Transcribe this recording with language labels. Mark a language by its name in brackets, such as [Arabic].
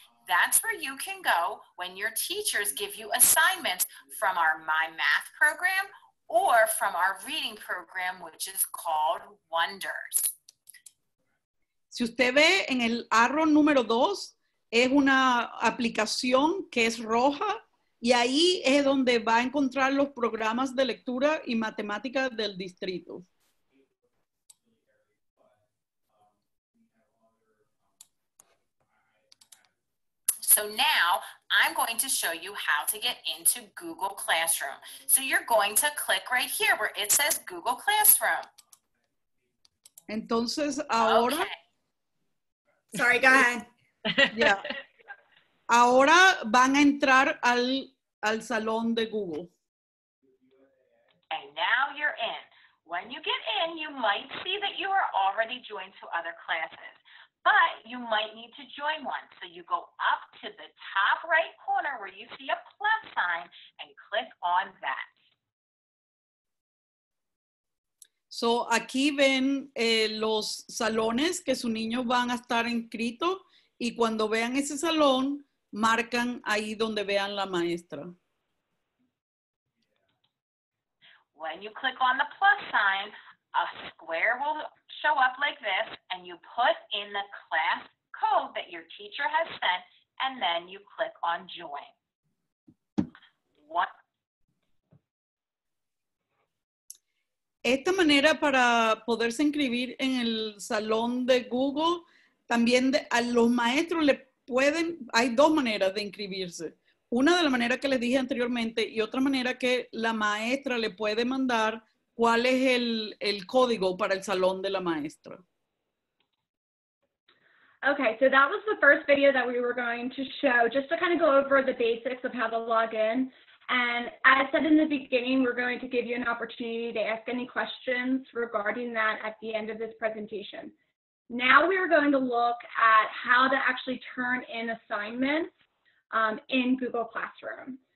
[English] That's where you can go when your teachers give you assignments from our My Math program or from our reading program, which is called Wonders. [Spanish] Si usted ve en el arrow número dos, es una aplicación que es roja. Y ahí es donde va a encontrar los programas de lectura y matemática del distrito. [English] So now I'm going to show you how to get into Google Classroom. So you're going to click right here where it says Google Classroom. [Spanish] Entonces ahora. [English] Okay. Sorry, go ahead. [Spanish] Yeah. Ahora van a entrar al salón de Google. [English] And now you're in. When you get in, you might see that you are already joined to other classes, but you might need to join one. So you go up to the top right corner where you see a plus sign and click on that. [Spanish] So aquí ven los salones que su niño van a estar inscrito, y cuando vean ese salón, marcan ahí donde vean la maestra. [English] When you click on the plus sign, a square will show up like this, and you put in the class code that your teacher has sent, and then you click on join. [Spanish] Esta manera para poderse inscribir en el salón de Google, también a los maestros le pueden, hay dos maneras de inscribirse. Una de la manera que les dije anteriormente y otra manera que la maestra le puede mandar cuál es el código para el salón de la maestra. [English] Okay, so that was the first video that we were going to show, just to kind of go over the basics of how to log in. And as said in the beginning, we're going to give you an opportunity to ask any questions regarding that at the end of this presentation. Now we are going to look at how to actually turn in assignments in Google Classroom.